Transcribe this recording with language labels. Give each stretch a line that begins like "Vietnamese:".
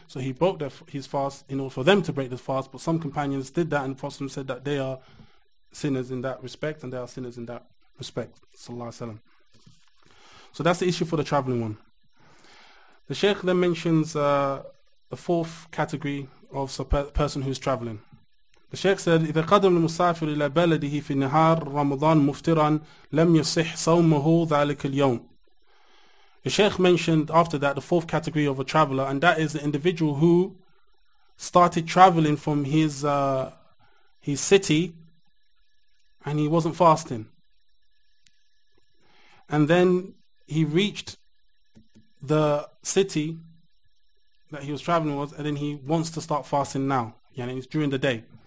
English: So he broke his fast in order for them to break the fast. But some companions did that, and the Prophet said that they are sinners in that respect, and they are sinners in that respect. So that's the issue for the traveling one. The Sheikh then mentions the fourth category of person who's traveling. The Sheikh said,
Arabic: إِذَا قَدَمْ الْمُسَافِرِ إِلَى بَلَدِهِ فِي النِّهَارِ رَمَضَانْ مُفْتِرًا لَمْ يُصِحْ صَوْمُهُ ذَلِكَ الْيَوْمِ.
English: The Sheikh mentioned after that the fourth category of a traveler, and that is the individual who started traveling from his city and he wasn't fasting. And then he reached the city that he was traveling with, and then he wants to start fasting now. Yani it's during the day.